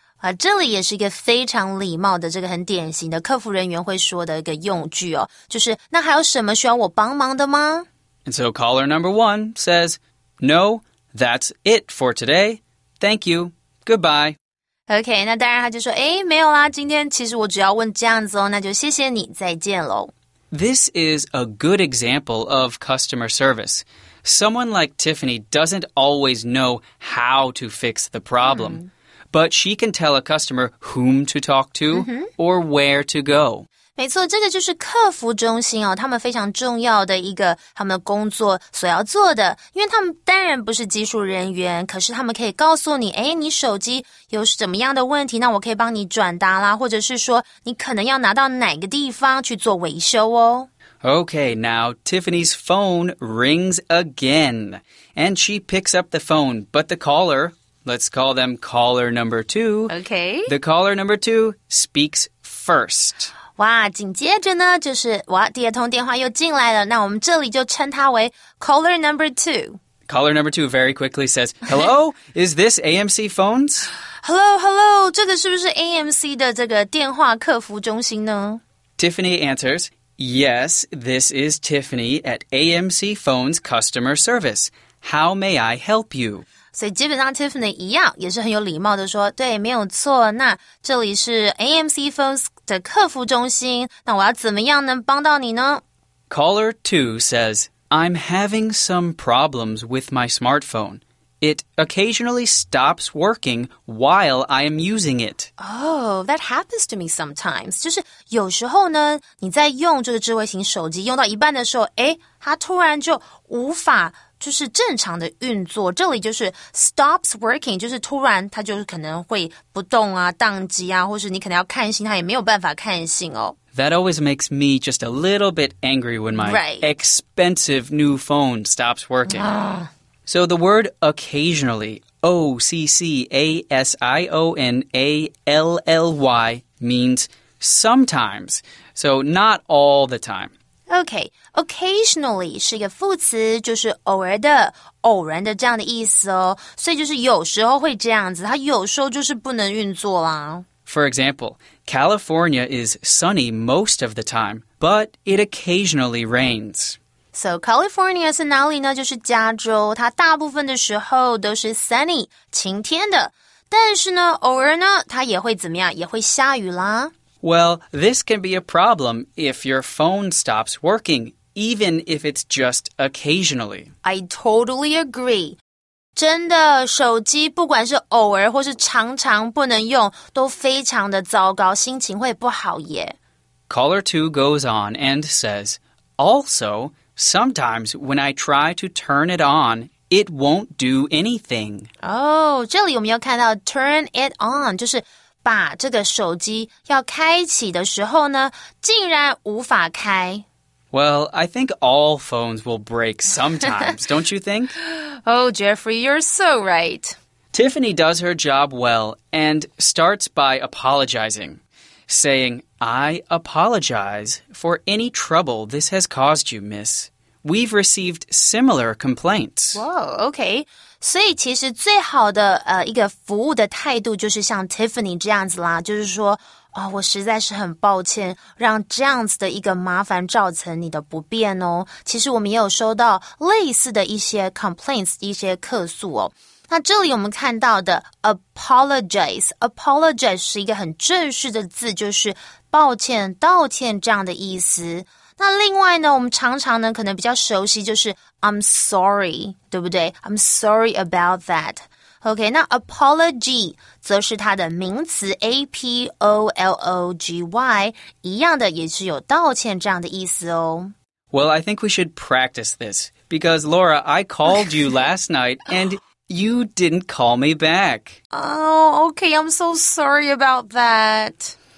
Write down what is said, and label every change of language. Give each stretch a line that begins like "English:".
Chinese: 啊，这里也是一个非常礼貌的这个很典型的客服人员会说的一个用句哦，就是那还有什么需要我帮忙的吗？
English: And so caller number one says, no, that's it for today. Thank you. Goodbye.
Chinese: Okay, 那当然他就说，诶，没有啦，今天其实我只要问这样子哦，那就谢谢你，再见咯。
English: This is a good example of customer service. Someone like Tiffany doesn't always know how to fix the problem, but she can tell a customer whom to talk to or where to go.
Chinese: 没错，这个就是客服中心哦，他们非常重要的一个他们工作所要做的，因为他们当然不是技术人员，可是他们可以告诉你，哎，你手机有什么样的问题，那我可以帮你转达啦，或者是说你可能要拿到哪个地方去做维修哦。
English: Okay, now Tiffany's phone rings again, and she picks up the phone, but the caller, let's call them caller number two, okay, the caller number two speaks first.
Chinese: 哇，紧接着呢，就是哇，第二通电话又进来了。那我们这里就称它为
English: caller number two. Caller number two very quickly says, "Hello, is this AMC phones?" Hello, hello,
Chinese: 这个是不是 AMC 的这个电话客服中心呢？
English: Tiffany answers, "Yes, this is Tiffany at AMC Phones Customer Service. How may I help you?"
Chinese: 所以基本上 Tiffany 一样，也是很有礼貌的说，对，没有错。那这里是 AMC Phones。的客服中心，那我要怎么样能帮到你呢？
English: Caller 2 says, I'm having some problems with my smartphone. It occasionally stops working while I am using it. Oh, that happens to me sometimes.
Chinese: 就是有时候呢，你在用这个智慧型手机用到一半的时候，诶，它突然就无法就是正常的运作，这里就是
English: stops working,
Chinese: 就是突然它就是可能会不动啊，宕机啊，或是你可能要看信，它也没有办法看信哦。
English: That always makes me just a little bit angry when my expensive new phone stops working. So the word occasionally, O-C-C-A-S-I-O-N-A-L-L-Y, means sometimes, so not all the time.
Chinese: Okay, occasionally 是一个副词，就是偶尔的、偶然的这样的意思哦。所以就是有时候会这样子，它有时候就是不能运作啦。
English: For example, California is sunny most of the time, but it occasionally rains.
Chinese: So California 是哪里呢？就是加州，它大部分的时候都是 sunny, 晴天的。但是呢，偶尔呢，它也会怎么样？也会下雨啦。
English: Well, this can be a problem if your phone stops working, even if it's just occasionally. I totally agree.
Chinese: 真的，手机不管是偶尔或是常常不能用，都非常的糟糕，心情会不好耶。
English: Caller 2 goes on and says, Also, sometimes when I try to turn it on... It won't do anything.
Chinese: Oh, 这里我们要看到
English: turn it on,
Chinese: 就是把这个手机要开启的时候呢，竟然无法开。
English: Well, I think all phones will break sometimes, don't you think? Oh, Jeffrey, you're so right. Tiffany does her job well and starts by apologizing, saying, I apologize for any trouble this has caused you, miss. We've received similar complaints. Wow, okay.
Chinese: 所以其实最好的一个服务的态度就是像 Tiffany 这样子啦，就是说啊，我实在是很抱歉，让这样子的一个麻烦造成你的不便哦。其实我们也有收到类似的一些 complaints， 一些客诉哦。那这里我们看到的 apologize 是一个很正式的字，就是抱歉、道歉这样的意思。那另外呢，我们常常呢，可能比较熟悉就是
English: I'm sorry，
Chinese: 对不对 ？
English: I'm sorry about that。
Chinese: OK， 那 apology 则是它的名词 A P O L O G Y， 一样的也是有道歉这样的意思哦。
English: Well, I think we should practice this because Laura, I called you last night and you didn't call me back. Oh, OK, I'm so sorry about that.